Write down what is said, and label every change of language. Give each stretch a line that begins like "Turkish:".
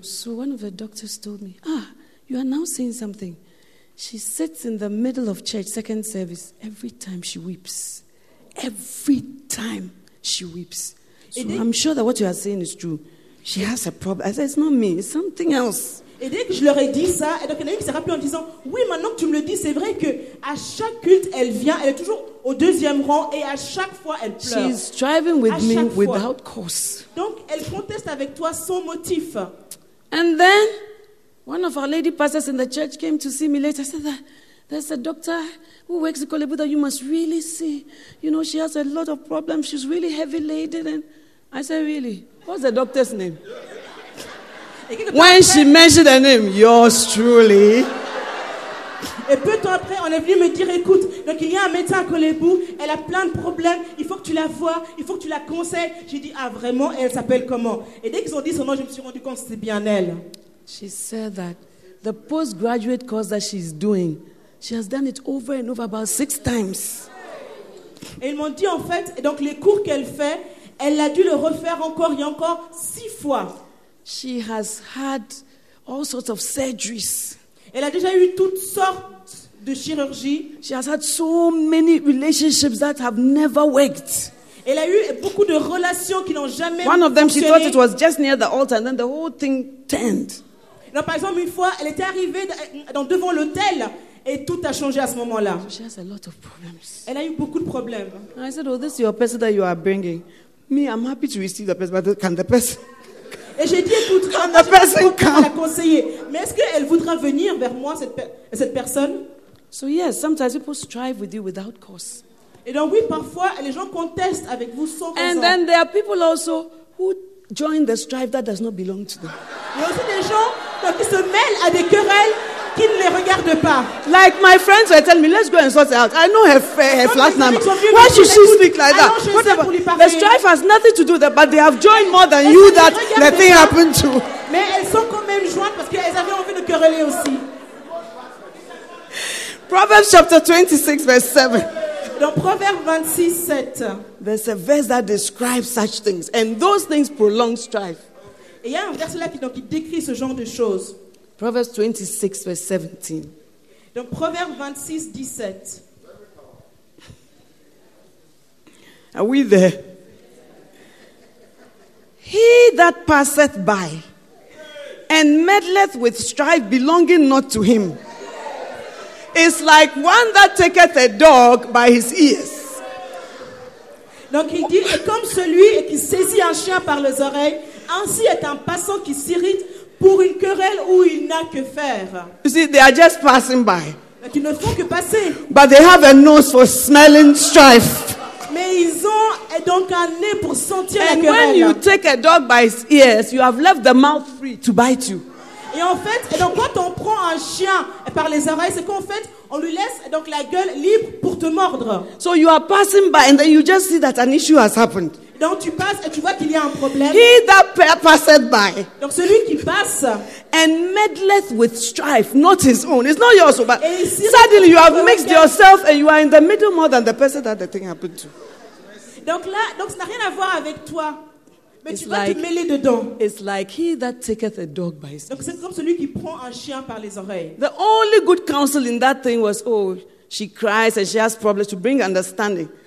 English: So one of the doctors told me, ah, you are now saying something. She sits in the middle of church, second service, every time she weeps. Every time she weeps. So I'm sure that what you are saying is true. She has a problem. I said, it's not me, it's something else.
French: Et dès que je leur ai dit ça, et donc il y en a une qui s'est rappelé en disant, oui, maintenant que tu me le dis, c'est vrai qu'à chaque culte, elle vient, elle est toujours au deuxième rang, et à chaque fois, elle pleure.
English: She's striving with me without cause.
French: Donc, elle conteste avec toi sans motif.
English: And then, one of our lady pastors in the church came to see me later. I said, there's a doctor who works in Kolebu that you must really see. You know, she has a lot of problems. She's really heavy laden. And I said, really? What's the doctor's name? When she mentioned her name, yours truly.
French: Et peu de temps après, on est venu me dire, écoute, donc il y a un médecin à Kolebu, elle a plein de problèmes, il faut que tu la vois, il faut que tu la conseilles. J'ai dit, ah vraiment, elle s'appelle comment? Et dès qu'ils ont dit son nom, je me suis rendu compte que c'est bien elle.
English: She said that the postgraduate course that she's doing, she has done it over and over about 6 times.
French: Et ils m'ont dit en fait, et donc les cours qu'elle fait, elle a dû le refaire encore et encore 6 fois.
English: She has had all sorts of surgeries.
French: Elle a déjà eu toutes sortes de chirurgies.
English: She has had so many relationships that have never worked.
French: Elle a eu beaucoup de relations qui n'ont jamais fonctionné.
English: One of them, she thought it was just near the altar, and then the whole thing turned.
French: Non, par exemple, une fois, elle était arrivée devant l'autel et tout a changé à ce moment-là.
English: She has a lot of problems.
French: Elle a eu beaucoup de problèmes.
English: I said, oh, this is your person that you are bringing. Me, I'm happy to receive the person, but can the person...
French: Et j'ai dit, écoute, quand la personne vient la conseiller, mais est-ce qu'elle voudra venir vers moi, cette personne?
English: So yes, sometimes people strive with you without cause.
French: Et donc oui, parfois, les gens contestent avec vous sans cause.
English: And then there are people also who join the strife that does not belong to them.
French: Il y a aussi des gens qui se mêlent à des querelles qui ne les regardent pas.
English: Like my friends were telling me, let's go and sort it out. I know her flat number. Why should she speak like that? Whatever. The strife has nothing to do with that, but they have joined more than you that the thing happened to.
French: Mais elles sont quand même jointes parce qu'elles avaient envie de quereller aussi.
English: Proverbs chapter 26, verse 7.
French: Dans Proverbes 26, 7.
English: There's a verse that describes such things, and those things prolong strife.
French: Et il y a un verset là qui décrit ce genre de choses.
English: Proverbs 26, verse 17.
French: Donc, Proverbes 26, 17.
English: Are we there? He that passeth by and meddleth with strife belonging not to him is like one that taketh a dog by his ears.
French: Donc, il dit, et comme celui qui saisit un chien par les oreilles, ainsi est un passant qui s'irrite pour une querelle où il n'a que faire.
English: You see, they are just passing by.
French: Donc, ils ne font que passer.
English: But they have a nose for smelling strife.
French: Mais ils ont et donc un nez pour sentir
English: and
French: la querelle.
English: And when you take a dog by his ears, you have left the mouth free to bite you.
French: Et en fait, et donc quand on prend un chien par les oreilles, c'est qu'en fait, on lui laisse donc la gueule libre pour te mordre.
English: So you are passing by and then you just see that an issue has happened.
French: Donc tu passes et tu vois qu'il y a un problème.
English: He that passeth by.
French: Donc celui qui passe.
English: And meddleth with strife, not his own. It's not yours, but suddenly you have mixed yourself and you are in the middle more than the person that the thing happened to.
French: Donc ça n'a rien à voir avec toi. Mais
English: it's
French: tu vas like, te mêler dedans.
English: It's like he that taketh a dog by his.
French: Donc c'est comme celui qui prend un chien par les oreilles.
English: The only good counsel in that thing was, oh, she cries and she has problems to bring understanding.